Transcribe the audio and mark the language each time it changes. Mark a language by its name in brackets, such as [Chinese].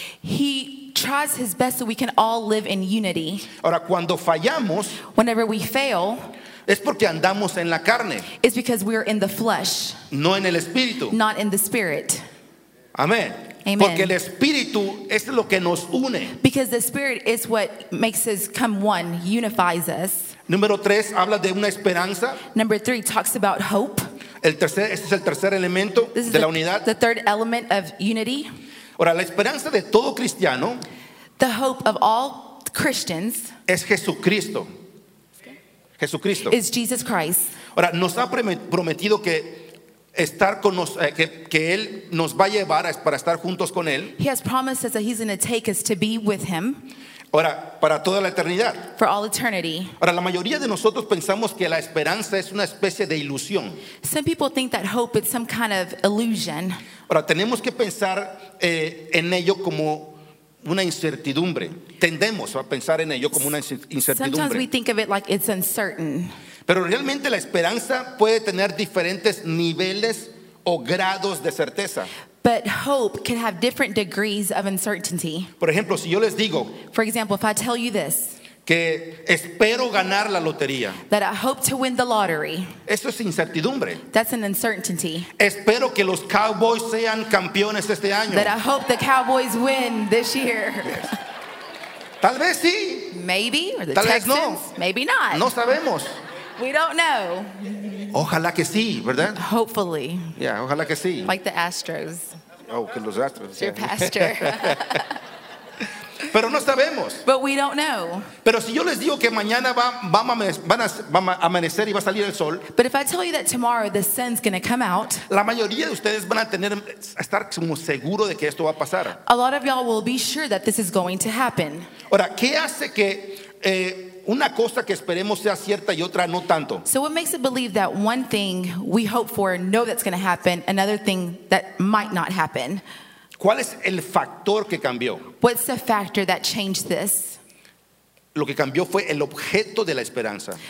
[English] He tries his best so we can all live in unity. [Spanish] Ahora, cuando fallamos, [English] whenever we fail, [Spanish] Es porque andamos en la carne. [English] It's because we are in the flesh. [Spanish] No en el espíritu. [English] Not in the spirit. [Spanish] Amén. [English] Amen. [Spanish] Porque el espíritu es lo que nos une. [English] Because the spirit is what makes us come one, unifies us. [Spanish] Número tres habla de una esperanza. [English] Number three talks about hope. [Spanish] El tercer, este es el tercer elemento de la unidad. [English] The third element of unity. [Spanish] Ahora, la esperanza de todo cristiano. [English] The hope of all Christians. [Spanish] Es Jesucristo. Jesucristo. [English] Is Jesus Christ. [Spanish] Ahora, nos ha prometido que estar con nos, que él nos va a llevar a, para estar juntos con él. [English] He has promised us that he's going to take us to be with him. [Spanish] Ahora, para toda la eternidad. [English] For all eternity. [Spanish] Ahora, la mayoría de nosotros pensamos que la esperanza es una especie de ilusión. [English] Some people think that hope is some kind of illusion. [Spanish] Ahora, tenemos que pensar en ello como una incertidumbre. Tendemos a pensar en ello como una incertidumbre. [English] Sometimes we think of it like it's uncertain. [Spanish] Pero realmente la esperanza puede tener diferentes niveles o grados de certeza. [English] But hope can have different degrees of uncertainty. [Spanish] Por ejemplo, si yo les digo, [English] for example, if I tell you this, [Spanish] que espero ganar la lotería, [English] that I hope to win the lottery, [Spanish] eso es incertidumbre. [English] That's an uncertainty. [Spanish] Espero que los Cowboys sean campeones este año. [English] That I hope the Cowboys win this year. Yes. [Spanish] Tal vez sí. [English] Maybe. Or the [Spanish] tal [English] Texans. [Spanish] Vez no. [English] Maybe not. [Spanish] No sabemos. [English] We don't know. [Spanish] Ojalá que sí, ¿verdad? [English] Hopefully. [Spanish] Yeah, ojalá que sí. [English] Like the Astros. [Spanish] Oh, que los Astros. [English] Your pastor. [Spanish] Pero no sabemos. [English] But we don't know. [Spanish] Pero si yo les digo que mañana va a amanecer y va a salir el sol. [English] But if I tell you that tomorrow the sun's going to come out. [Spanish] La mayoría de ustedes van a tener estar como seguro de que esto va a pasar. [English] A lot of y'all will be sure that this is going to happen. [Spanish] Ahora, ¿qué hace que una cosa que esperemos sea cierta y otra no tanto? [English] So what makes it believe that one thing we hope for and know that's going to happen, another thing that might not happen? [Spanish] ¿Cuál es el factor que cambió? [English] What's the factor that changed this? [Spanish] Lo que cambió fue el objeto de la esperanza.